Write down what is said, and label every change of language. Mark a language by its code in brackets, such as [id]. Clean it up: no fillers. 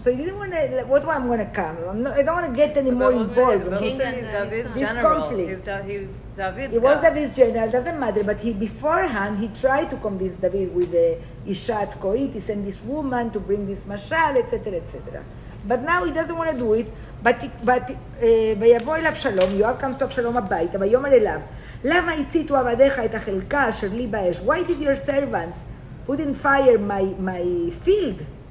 [en] So he didn't want to, like, what do I want to come? I don't want to get any more involved. King and David's general. It was David's general, doesn't matter. But he, beforehand, he tried to convince David with the Ishat Koit, he sent this woman to bring this Mashal, etc., etc. But now he doesn't want to do it. [he] But ויבוא אל אבשלום, יואב [en] comes to [he] אבשלום הביתה, ויאמר אליו, למה הציתו עבדיך את החלקה אשר לי באש? [en] Why did your servants put in fire my field?